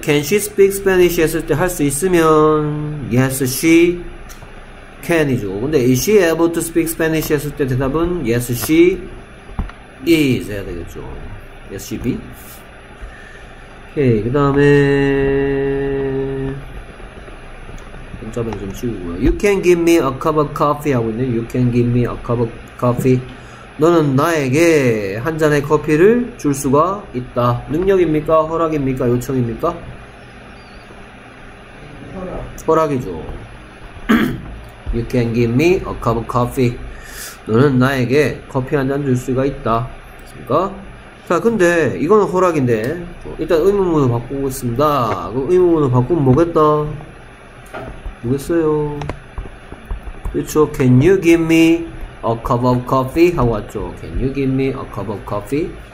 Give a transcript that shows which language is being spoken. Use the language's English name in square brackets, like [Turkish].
[English] Can she speak Spanish [Korean] 했을 때 할 수 있으면 [English] Yes, she can이죠. [Korean] 근데 [English] Is she able to speak Spanish [Korean] 했을 때 대답은 [English] Yes, she is [Korean] 해야 되겠죠. [English] Yes, she be. [Korean] 오케이, 그 다음에 문자만 좀 치우고요. [English] You can give me a cup of coffee [Korean] 하고 있네요. [English] You can give me a cup of coffee. [Korean] 너는 나에게 한 잔의 커피를 줄 수가 있다. 능력입니까? 허락입니까? 요청입니까? 허락. 허락이죠. [English] You can give me a cup of coffee. [Korean] 너는 나에게 커피 한 잔 줄 수가 있다. 그러니까 자, 근데 이거는 허락인데 일단 의문문으로 바꾸겠습니다. 그럼 의문문으로 바꾸면 뭐겠다? 뭐겠어요? 그렇죠. [English] Can you give me A cup of coffee? [Korean] 하고 왔죠. [English] Can you give me a cup of coffee?